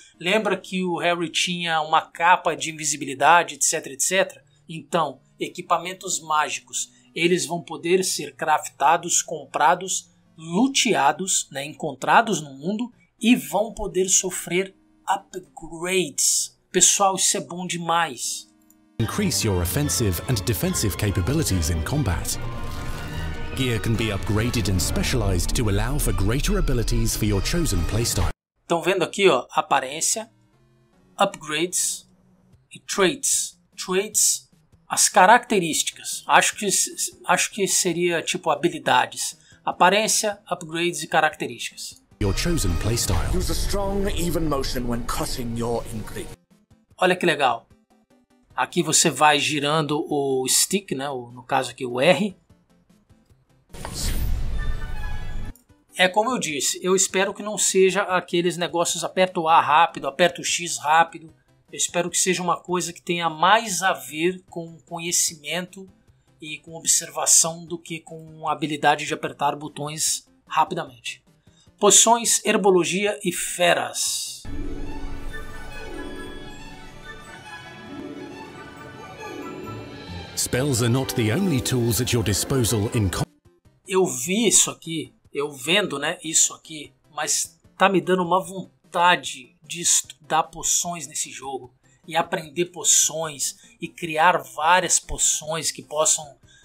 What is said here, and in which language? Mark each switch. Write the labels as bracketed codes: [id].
[pt] Lembra que o Harry tinha uma capa de invisibilidade, etc, etc. Então, equipamentos mágicos, eles vão poder ser craftados, comprados, luteados, né, encontrados no mundo e vão poder sofrer upgrades. Pessoal, isso é bom demais. [en] Increase your offensive and defensive capabilities in combat. Gear can be upgraded and specialized to allow for greater abilities for your chosen playstyle. [pt] Estão vendo aqui, ó, aparência, upgrades e traits. Traits, as características. Acho que seria tipo habilidades. Aparência, upgrades e características. [en] Your chosen playstyle. Use a strong, even motion when cutting your ingrid. [pt] Olha que legal. Aqui você vai girando o stick, né? No caso aqui, o R. É como eu disse, eu espero que não seja aqueles negócios aperto A rápido, aperto X rápido. Eu espero que seja uma coisa que tenha mais a ver com conhecimento e com observação do que com a habilidade de apertar botões rapidamente. Poções, herbologia e feras. [en] Spells are not the only tools at your disposal in [pt] Eu vi isso aqui, eu vendo, né, isso aqui, mas tá me dando uma vontade de estudar poções nesse jogo e aprender poções e criar várias poções que possam...